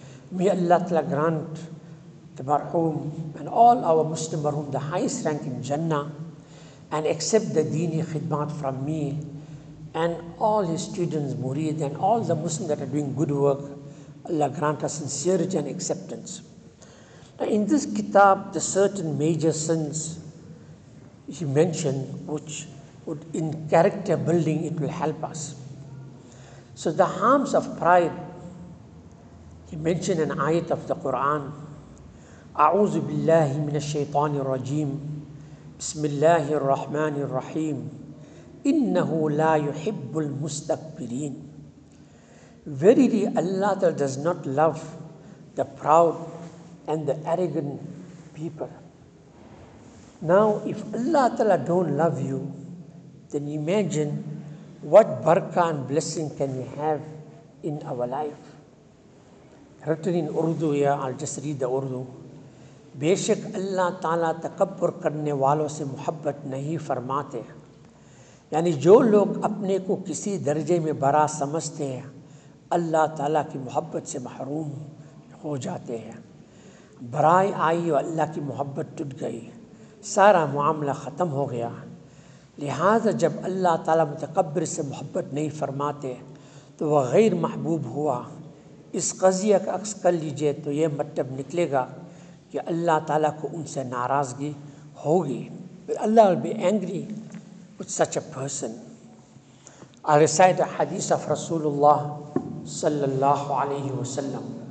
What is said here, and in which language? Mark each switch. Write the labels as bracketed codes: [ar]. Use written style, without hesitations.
[en] May Allah Ta'ala grant the marhum and all our Muslim marhum the highest rank in Jannah, and accept the dini khidmat from me and all his students, murid, and all the Muslims that are doing good work. Allah grant us sincerity and acceptance. Now in this kitab, the certain major sins he mentioned, which would in character building, it will help us. So the harms of pride, he mentioned an ayat of the Quran, [ar] أعوذ بالله من الشيطان الرجيم بسم الله الرحمن الرحيم إنه لا يحب المستكبرين. [en] Verily Allah does not love the proud and the arrogant people. Now if Allah don't love you, then imagine what barakah and blessing can we have in our life. Written in Urdu, I'll just read the Urdu. [ur] بے شک اللہ تعالیٰ تکبر کرنے والوں سے محبت نہیں فرماتے. یعنی جو لوگ اپنے کو کسی درجے میں برا سمجھتے ہیں اللہ تعالیٰ کی محبت سے محروم ہو جاتے ہیں. برائی آئی اور اللہ کی محبت ٹوٹ گئی, سارا معاملہ ختم ہو گیا. لہذا جب اللہ تعالیٰ متکبر سے محبت نہیں فرماتے تو وہ غیر محبوب ہوا, اس قضیہ کا عکس کر لیجئے تو یہ مطلب نکلے گا کہ اللہ تعالیٰ کو ان سے ناراضگی ہوگی. [en] Allah will be angry with such a person. I recite a حدیث of رسول اللہ صلی اللہ علیہ وسلم.